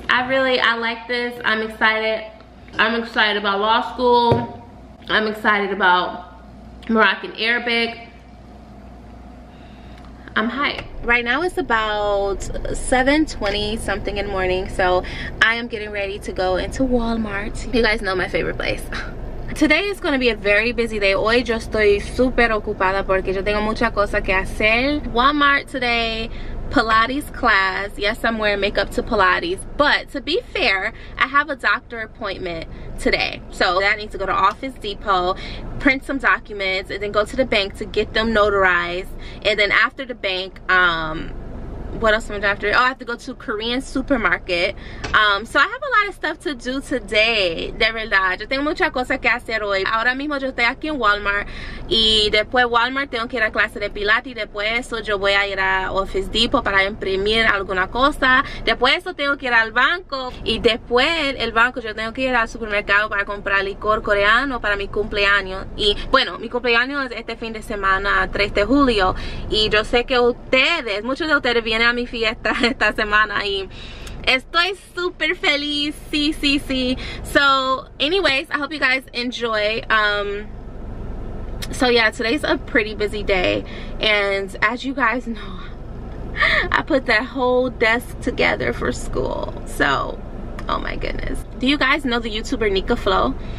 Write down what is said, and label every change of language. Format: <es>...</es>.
<en>I like this. I'm excited. I'm excited about law school. I'm excited about Moroccan Arabic. I'm hyped. Right now it's about 7:20 something in the morning, so I am getting ready to go into Walmart. You guys know my favorite place. Today is going to be a very busy day.</en> <es>Hoy yo estoy super ocupada porque yo tengo mucha cosa que hacer.</es> <en>Walmart today, Pilates class. Yes, I'm wearing makeup to Pilates, but to be fair, I have a doctor appointment today. So I need to go to Office Depot, print some documents, and then go to the bank to get them notarized. And then after the bank, what else am I doing after? Oh, I have to go to a Korean supermarket. So I have a lot of stuff to do today.</en> <es>De verdad. Yo tengo muchas cosas que hacer hoy. Ahora mismo yo estoy aquí en Walmart. Y después Walmart tengo que ir a clase de Pilates. Y después eso yo voy a ir a Office Depot para imprimir alguna cosa. Después eso tengo que ir al banco. Y después el banco yo tengo que ir al supermercado para comprar licor coreano para mi cumpleaños. Y bueno, mi cumpleaños es este fin de semana, 3 de julio. Y yo sé que ustedes, muchos de ustedes viene a mi fiesta esta semana y estoy super feliz.</es> <en>Sí. So anyways, I hope you guys enjoy. So yeah, today's a pretty busy day, and as you guys know, I put that whole desk together for school. So, oh my goodness. Do you guys know the YouTuber Nika Flow?</en>